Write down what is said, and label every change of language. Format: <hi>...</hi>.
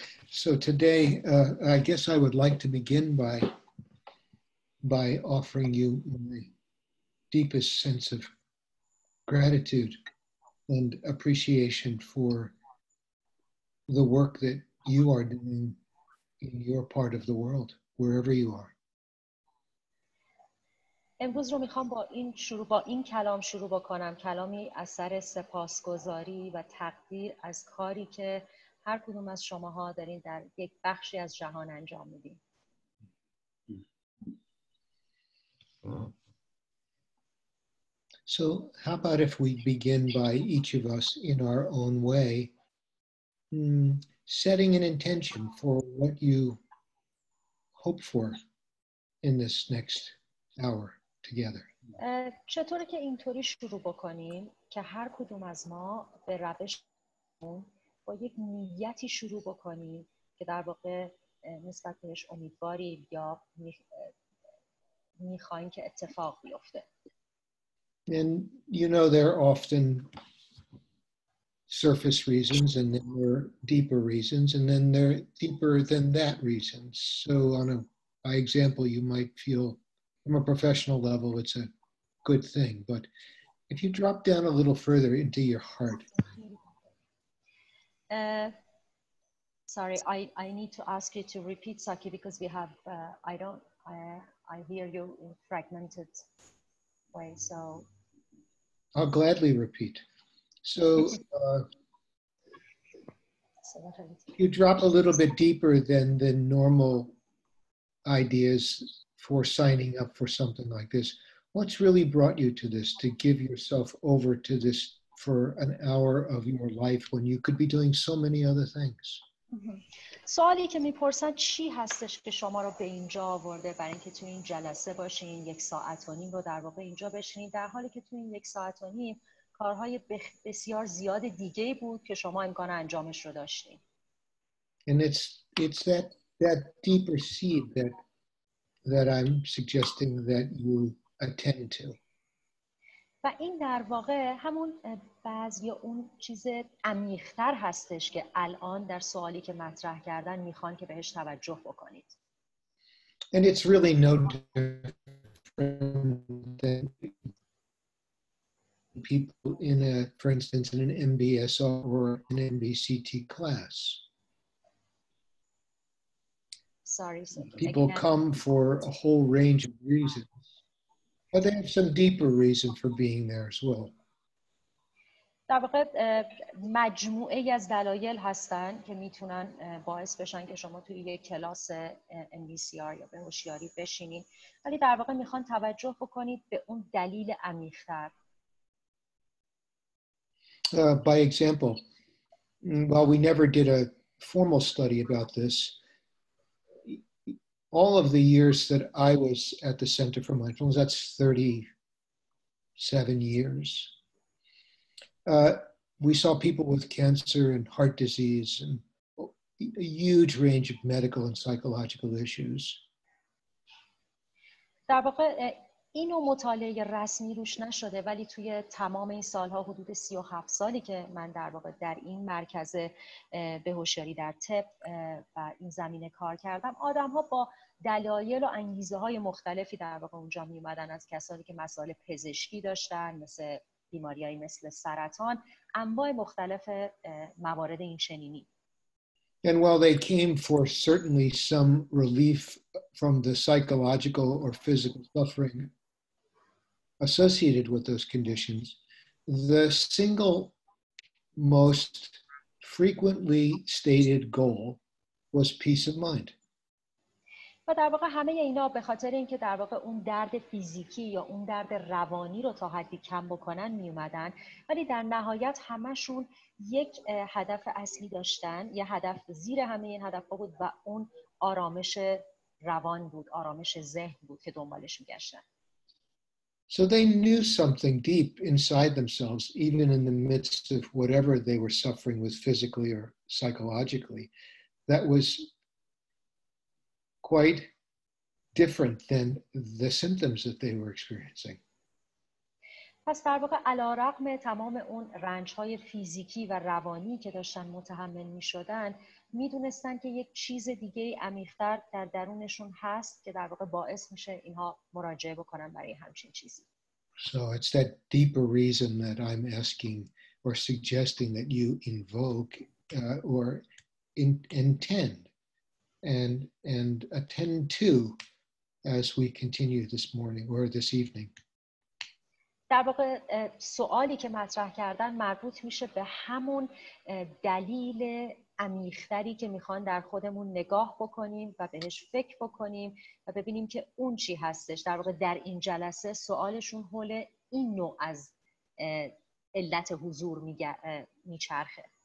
<en>So today, I guess I would like to begin by offering you my deepest sense of gratitude and appreciation for the work that you are doing in your part of the world, wherever you are.</en> <fa>امروز رو میخوام با این کلام شروع بکنم. کلامی اثر سپاسگزاری و تقدیر از کاری که هر کدوم از شماها دارین در یک بخشی از جهان انجام میدین.</fa> <en>So how about if we begin by each of us in our own way setting an intention for what you hope for in this next hour together.</en> <fa>چطوره که اینطوری شروع بکنیم که هر کدوم از ما به روش با یک نیتی شروع بکنیم که در واقع نسبت بهش امیدواریم یا میخواییم که اتفاق بیفته.</fa> <en>And you know there are often surface reasons and then there are deeper reasons and then there are deeper than that reasons. So by example you might feel from a professional level it's a good thing. But if you drop down a little further into your heart. Sorry, I need to ask you to repeat, Saki, because we have, I hear you in a fragmented way, so. I'll gladly repeat. So, you drop a little bit deeper than the normal ideas for signing up for something like this. What's really brought you to this, to give yourself over to this for an hour of your life when you could be doing so many other things?</en> <fa>سوالی که میپرسن چی هستش که شما رو به اینجا آورده برای اینکه تو این جلسه باشین یک ساعت و نیم رو در واقع اینجا بشینید در حالی که تو این یک ساعت و نیم کارهای بسیار زیاد دیگه بود که شما امکان انجامش رو داشتین.</fa> <en>And it's that deeper seed that I'm suggesting that you attend to.</en> <fa>و این در واقع همون بعض یا اون چیز عمیق‌تر هستش که الان در سوالی که مطرح کردن میخوان که بهش توجه بکنید.</fa> <en>And it's really no different than people in a, for instance, in an MBSR or an MBCT class. Sorry. People come for a whole range of reasons. But they have some deeper reason for being there as well.</en> <fa>در واقع مجموعه ای از دلایل هستن که میتونن باعث بشن که شما توی یک کلاس MBSR یا به هوشیاری بشینید. ولی در واقع میخوان توجه بکنید به اون دلیل عمیق‌تر.</fa> <en>By example, while we never did a formal study about this, all of the years that I was at the Center for Mindfulness, that's 37 years, we saw people with cancer and heart disease and a huge range of medical and psychological issues.</en> <fa>در واقع اینو مطالعه رسمی روش نشده ولی توی تمام این سالها حدود 37 سالی که من در واقع در این مرکز بهوشیاری در طب و این زمینه کار کردم آدم ها با دلایل و انگیزه های مختلفی در واقع اونجا می اومدن از کسانی که مسائل پزشکی داشتن مثل بیماری های مثل سرطان انواع مختلف موارد این چنینی.</fa> <en>And while they came for certainly some relief from the psychological or physical suffering associated with those conditions, the single most frequently stated goal was peace of mind.</en> <fa>و در واقع همه اینا به خاطر اینکه در واقع اون درد فیزیکی یا اون درد روانی رو تا حدی کم بکنن می اومدن، ولی در نهایت همشون یک هدف اصلی داشتن، یه هدف زیر همه این هدف بود و اون آرامش روان بود، آرامش ذهن بود که دنبالش می‌گشتن.</fa> <en>So they knew something deep inside themselves, even in the midst of whatever they were suffering with physically or psychologically, that was quite different than the symptoms that they were experiencing.</en> <fa>پس در واقع علارغم تمام اون رنج‌های فیزیکی و روانی که داشتن متحمل می‌شدن، می‌دونستن که یک چیز دیگه‌ای عمیق‌تر در درونشون هست که در واقع باعث میشه اینها مراجعه بکنن برای همچین چیزی.</fa> <en>So it's that deeper reason that I'm asking or suggesting that you invoke or intend and attend to as we continue this morning or this evening.</en> <fa>در واقع سوالی که مطرح کردن مربوط میشه به همون دلیل عمیق‌تری که میخوان در خودمون نگاه بکنیم و بهش فکر بکنیم و ببینیم که اون چی هستش. در واقع در این جلسه سوالشون حول این نوع از علت حضور میچرخه.</fa>